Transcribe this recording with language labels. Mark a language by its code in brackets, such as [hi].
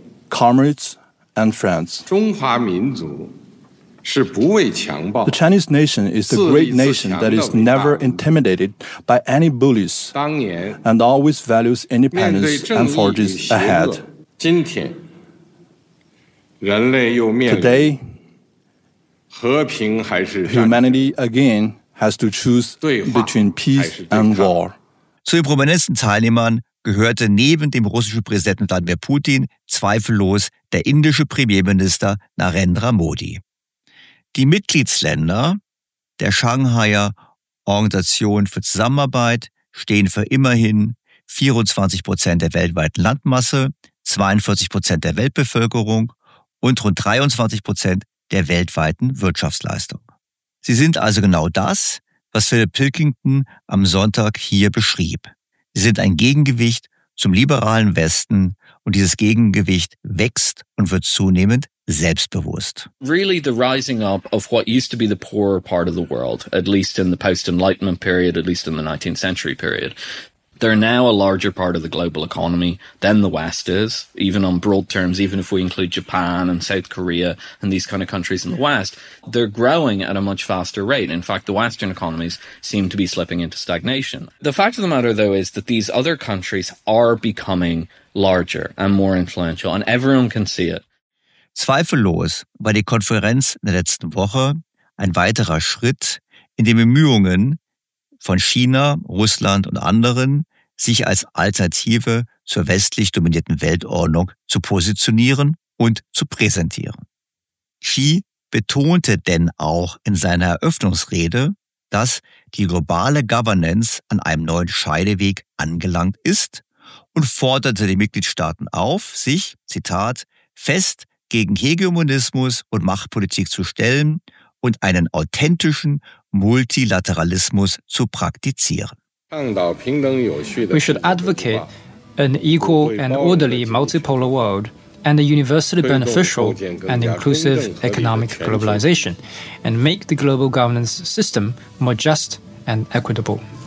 [en] Comrades and friends, the Chinese nation is the great nation that is never intimidated by any bullies and always values independence and forges ahead. Today, humanity again has to choose between peace and war. [de] Zu den prominentesten Teilnehmern gehörte neben dem russischen Präsidenten Wladimir Putin zweifellos der indische Premierminister Narendra Modi. Die Mitgliedsländer der Shanghaier Organisation für Zusammenarbeit stehen für immerhin 24% der weltweiten Landmasse, 42% der Weltbevölkerung und rund 23% der weltweiten Wirtschaftsleistung. Sie sind also genau das, was Philip Pilkington am Sonntag hier beschrieb. Sie sind ein Gegengewicht zum liberalen Westen und dieses Gegengewicht wächst und wird zunehmend selbstbewusst. [en] Really, the rising up of what used to be the poorer part of the world, at least in the post-Enlightenment period, at least in the 19th century period, they're now a larger part of the global economy than the West is, even on broad terms, even if we include Japan and South Korea and these kind of countries in the West, they're growing at a much faster rate. In fact, the Western economies seem to be slipping into stagnation. The fact of the matter, though, is that these other countries are becoming larger and more influential, and everyone can see it. [de] Zweifellos war die Konferenz in der letzten Woche ein weiterer Schritt in den Bemühungen von China, Russland und anderen, sich als Alternative zur westlich dominierten Weltordnung zu positionieren und zu präsentieren. Xi betonte denn auch in seiner Eröffnungsrede, dass die globale Governance an einem neuen Scheideweg angelangt ist und forderte die Mitgliedstaaten auf, sich, Zitat, fest gegen Hegemonismus und Machtpolitik zu stellen und einen authentischen Multilateralismus zu praktizieren. [en] We should advocate an equal and orderly multipolar world and a universally beneficial and inclusive economic globalization and make the global governance system more just and equitable.